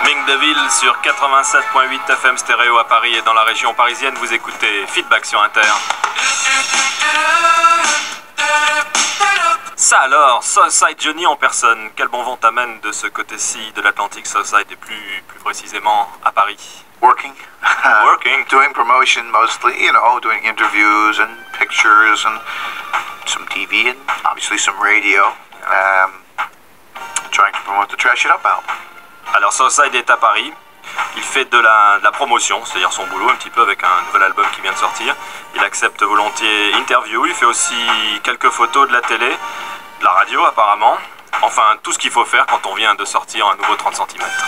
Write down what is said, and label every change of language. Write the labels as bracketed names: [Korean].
[French] Deville sur 87.8 FM stéréo à Paris et dans la région parisienne. Vous écoutez Feedback sur Inter. Ça alors, Southside Johnny en personne, quel bon vent t'amène de ce côté-ci de l'Atlantique, Southside, et plus précisément à Paris? [English] Working. Working. Doing promotion mostly, you know, doing interviews and pictures and some TV and obviously some radio. Trying to promote the Trash It Up album. [French] Alors, Southside est à Paris. Il fait de la promotion, c'est-à-dire son boulot un petit peu avec un nouvel album qui vient de sortir. Il accepte volontiers interviews, il fait aussi quelques photos de la télé, de la radio apparemment. Enfin, tout ce qu'il faut faire quand on vient de sortir un nouveau 30 cm.